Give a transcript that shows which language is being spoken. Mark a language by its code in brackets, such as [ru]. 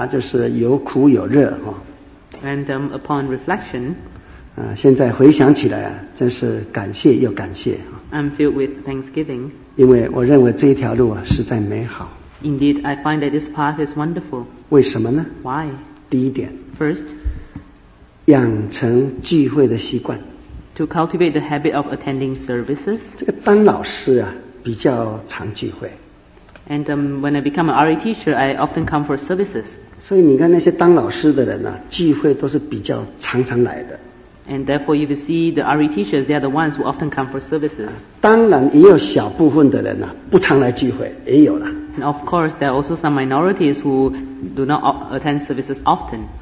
[zh] 其中的滋味混杂，就是有苦有热。 [en] And upon reflection, [zh] 现在回想起来，真是感谢又感谢。 [en] I'm filled with thanksgiving. [zh] 因为我认为这一条路实在美好。 [en] Indeed, I find that this path is wonderful. [zh] 为什么呢？ [en] Why? [zh] 第一点。 [en] First, [zh] 养成聚会的习惯。 [en] To cultivate the habit of attending services. [zh] 这个当老师比较常聚会。 [en] And when I become an RE teacher, I often come for services. [zh] 所以你看那些当老师的人聚会都是比较常常来的。 [en] And therefore, if you see the RE teachers, they are the ones who often come for services. [zh] 当然也有小部分的人不常来聚会，也有了。 [en] And of course, there are also some minorities who do not attend services often.